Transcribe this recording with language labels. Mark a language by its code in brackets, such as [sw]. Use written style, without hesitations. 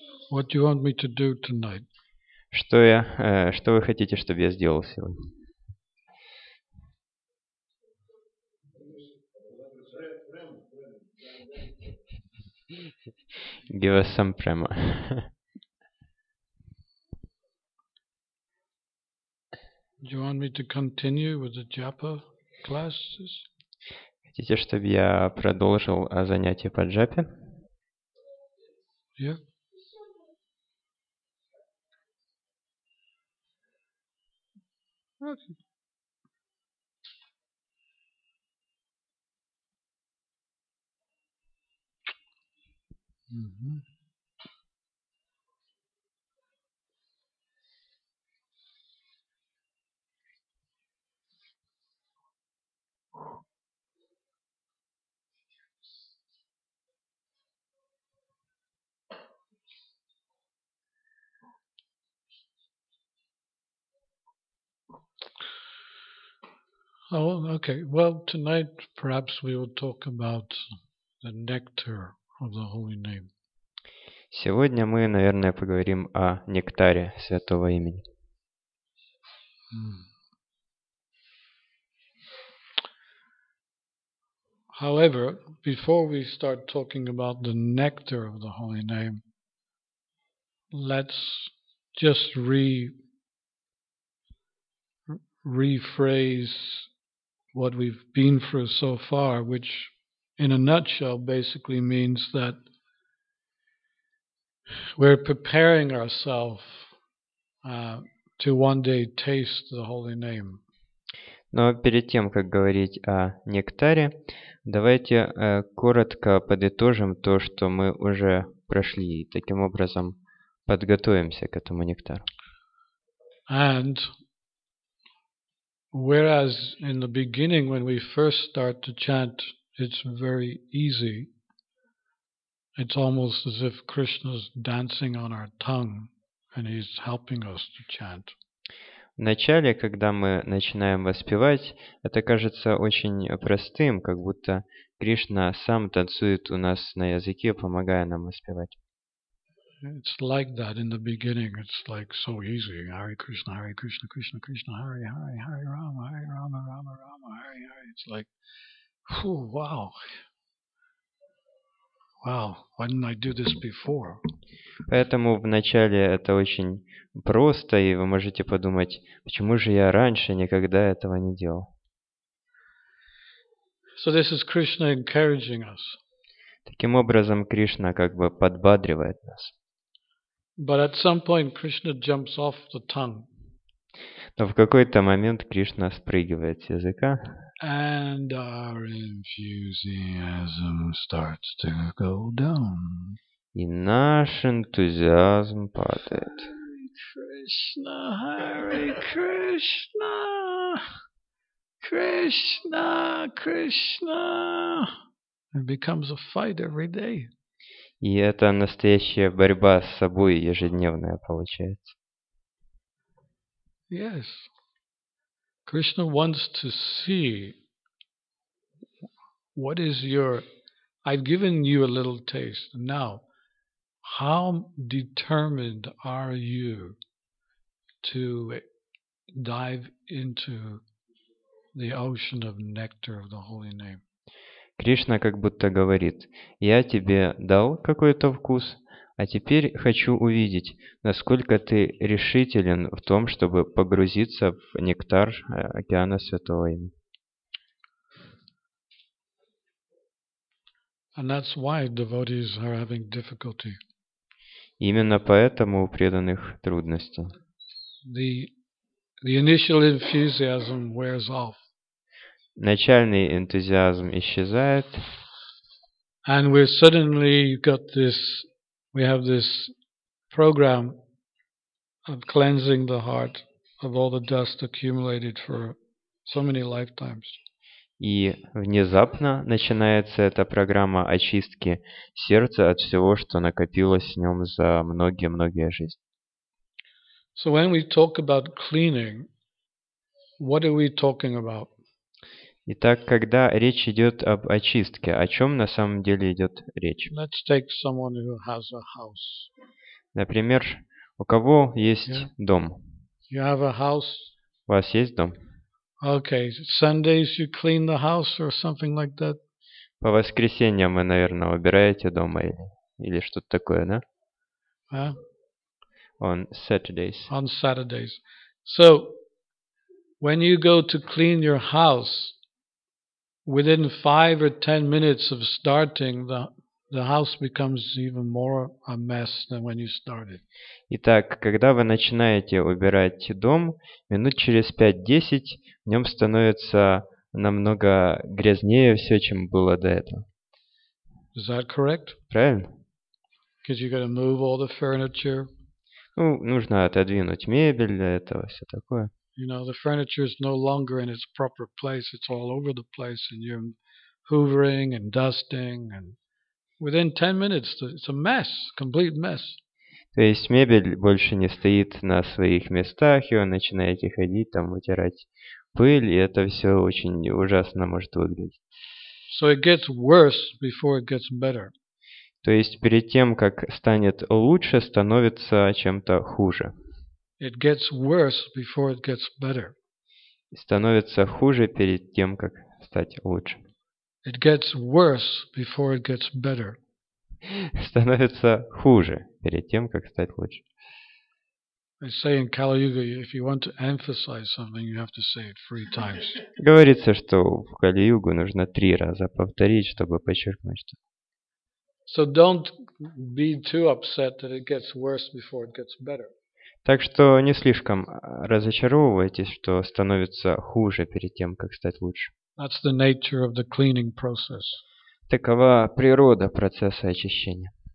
[en] What do you want me to do tonight? [ru] Что вы хотите, чтобы я сделал сегодня? [en] Give us some prema. Do you want me to continue with the japa classes? [ru] Хотите, чтобы я продолжил занятия по джапе? [en] Yeah. Okay. Oh, okay. Well, tonight perhaps we will talk about the nectar of the holy name. [ru] Сегодня мы, наверное, поговорим о нектаре святого имени. [en] However, before we start talking about the nectar of the holy name, let's just rephrase what we've been through so far, which in a nutshell basically means that we're preparing ourselves to one day taste the holy name. [ru] Но перед тем, как говорить о нектаре, давайте коротко подытожим то, что мы уже прошли, и таким образом подготовимся к этому нектару. [en] And whereas in the beginning, when we first start to chant, it's very easy, It's almost as if Krishna's dancing on our tongue and he's helping us to chant. [ru] Вначале, когда мы начинаем воспевать, это кажется очень простым, как будто Кришна сам танцует у нас на языке, помогая нам воспевать. [en] It's like that in the beginning. It's like so easy. [sa] Hare Krishna, Hare Krishna, Krishna Krishna, Hare Hare, Hare Rama, Hare Rama, Rama Rama, Hare Hare. [en] It's like, whew, wow. Wow, why didn't I do this before? [ru] Поэтому вначале это очень просто, и вы можете подумать, почему же я раньше никогда этого не делал? [en] So this is Krishna encouraging us. [ru] Таким образом, Кришна как бы подбадривает нас. [en] But at some point Krishna jumps off the tongue. [ru] Но в какой-то момент Кришна спрыгивает с языка. [en] And our enthusiasm starts to go down. [ru] И наш энтузиазм падает. [sa] Hare Krishna, Hare Krishna, Krishna, Krishna. [en] It becomes a fight every day. [ru] И это настоящая борьба с собой ежедневная получается. [en] Yes. Krishna wants to see what is your... I've given you a little taste. Now, how determined are you to dive into the ocean of nectar of the Holy Name? [ru] Кришна как будто говорит, я тебе дал какой-то вкус, а теперь хочу увидеть, насколько ты решителен в том, чтобы погрузиться в нектар океана Святого Имени. [en] And that's why devotees are having difficulty. [ru] Именно поэтому у преданных трудности. [en] The initial enthusiasm wears off. [ru] Начальный энтузиазм исчезает. [en] And we suddenly got this, we have this program of cleansing the heart of all the dust accumulated for so many lifetimes. [ru] И внезапно начинается эта программа очистки сердца от всего, что накопилось в нем за многие-многие жизни. [en] So when we talk about cleaning, what are we talking about? [ru] Итак, когда речь идет об очистке, о чем на самом деле идет речь? [en] Let's take someone who has a house. [ru] Например, у кого есть дом? [en] You have a house? [ru] У вас есть дом? [en] Okay, Sundays you clean the house or something like that. [ru] По воскресеньям вы, наверное, убираете дома или что-то такое, да? [en] On Saturdays. On Saturdays. So, when you go to clean your house, within 5 or 10 minutes of starting, the house becomes even more a mess than when you started. [ru] Итак, когда вы начинаете убирать дом, минут через 5-10 в нем становится намного грязнее все, чем было до этого. [en] Is that correct? [ru] Правильно. [en] Because you got to move all the furniture. [ru] Ну, нужно отодвинуть мебель для этого, все такое. [en] You know, the furniture is no longer in its proper place. It's all over the place, and you're hoovering and dusting, and within 10 minutes, it's a mess, complete mess. [ru] То есть мебель больше не стоит на своих местах, и вы начинаете ходить там, вытирать пыль, и это все очень ужасно может выглядеть. [en] So it gets worse before it gets better. [ru] То есть перед тем, как станет лучше, становится чем-то хуже. [en] It gets worse before it gets better. [ru] Становится хуже перед тем, как стать лучше. [en] It gets worse before it gets better. [ru] Становится хуже перед тем, как стать лучше. [en] I say in Kali Yuga, if you want to emphasize something, you have to say it 3 times. [ru] Говорится, что в Кали-Югу нужно 3 раза повторить, чтобы подчеркнуть что. [en] So don't be too upset that it gets worse before it gets better. [ru] Так что не слишком разочаровывайтесь, что становится хуже перед тем, как стать лучше. [en] That's the nature of the cleaning process. [ru] Такова природа процесса очищения.